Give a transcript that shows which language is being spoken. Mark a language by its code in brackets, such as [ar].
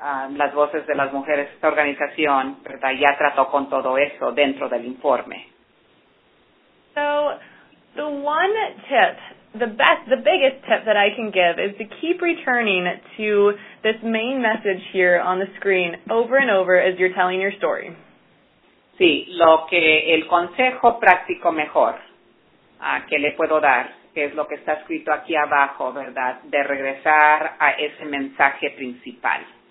[es] las voces de las mujeres, esta organización, ¿verdad?, ya trató con todo eso dentro del informe. [en] So, the one tip, the biggest tip that I can give is to keep returning to this main message here on the screen over and over as you're telling your story. [es] Sí, el consejo práctico mejor que le puedo dar es lo que está escrito aquí abajo, ¿verdad?, de regresar a ese mensaje principal.